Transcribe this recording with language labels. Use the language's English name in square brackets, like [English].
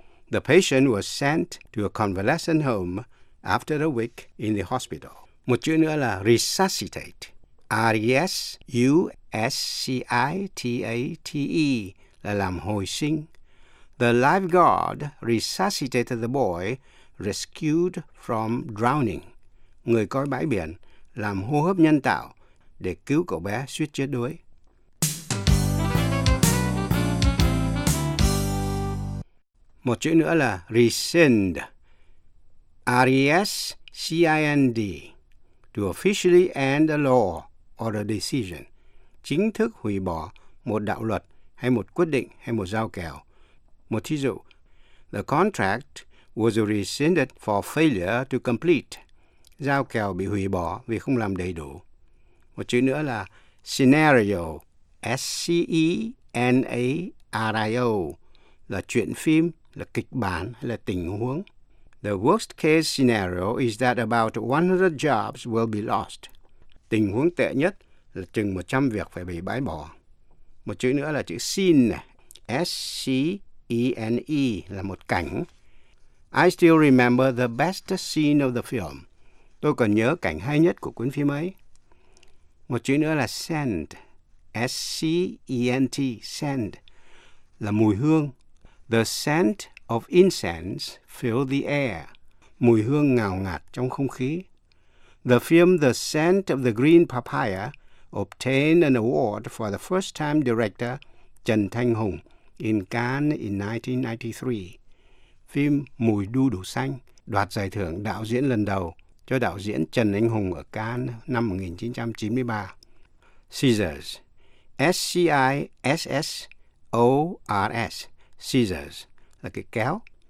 [English] The patient was sent to a convalescent home after a week in the hospital. [Vietnamese] Một chữ nữa là resuscitate. R-E-S-U-S-C-I-T-A-T-E là làm hồi sinh. [English] The lifeguard resuscitated the boy rescued from drowning. [Vietnamese] Người coi bãi biển làm hô hấp nhân tạo để cứu cậu bé suýt chết đuối. Một chữ nữa là rescind. R-E-S-C-I-N-D. [English] To officially end a law or a decision. [Vietnamese] Chính thức hủy bỏ một đạo luật hay một quyết định hay một giao kèo. Một thí dụ. [English] The contract was rescinded for failure to complete. [Vietnamese] Giao kèo bị hủy bỏ vì không làm đầy đủ. Một chữ nữa là scenario. S-C-E-N-A-R-I-O. Là chuyện phim, là kịch bản hay là tình huống. [English] The worst case scenario is that about 100 jobs will be lost. [Vietnamese] Tình huống tệ nhất là chừng 100 việc phải bị bãi bỏ. Một chữ nữa là chữ scene, S-C-E-N-E, là một cảnh. [English] I still remember the best scene of the film. [Vietnamese] Tôi còn nhớ cảnh hay nhất của cuốn phim ấy. Một chữ nữa là scent, S-C-E-N-T, scent, là mùi hương. [English] The scent of incense filled the air, [Vietnamese] mùi hương ngào ngạt trong không khí. [English] The film The Scent of the Green Papaya obtained an award for the first-time director Trần Thanh Hùng in Cannes in 1993. [Vietnamese] Phim Mùi đu đủ xanh đoạt giải thưởng đạo diễn lần đầu cho đạo diễn Trần Anh Hùng ở Cannes năm 1993. [English] Scissors. S-C-I-S-S-O-R-S. Scissors. [Vietnamese] Là cái kéo.